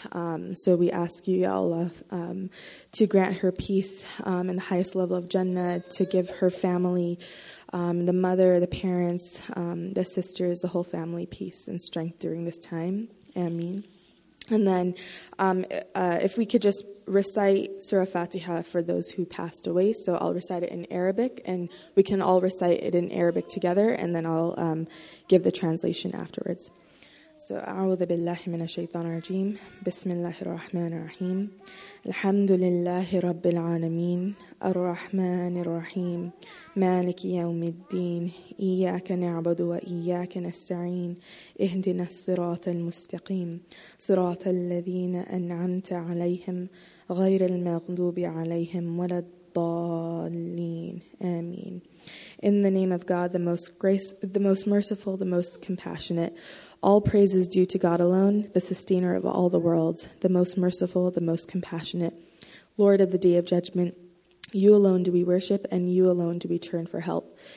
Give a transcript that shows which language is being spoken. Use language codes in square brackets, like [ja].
[en] So we ask you, Ya Allah, to grant her peace and the highest level of Jannah, to give her family, the mother, the parents, the sisters, the whole family peace and strength during this time. Ameen. And then if we could just recite Surah Fatiha for those who passed away. So I'll recite it in Arabic, and we can all recite it in Arabic together, and then I'll give the translation afterwards. [ar] So أعوذ بالله من الشيطان الرجيم بسم الله الرحمن الرحيم الحمد لله رب العالمين الرحمن الرحيم مالك يوم الدين إياك نعبد وإياك نستعين اهدنا الصراط المستقيم صراط الذين أنعمت عليهم غير المغضوب عليهم ولا الضالين آمين. [en] In the name of God, the most graceful, the most merciful, the most compassionate. All praise is due to God alone, the sustainer of all the worlds, the most merciful, the most compassionate. Lord of the Day of Judgment, you alone do we worship, and you alone do we turn for help.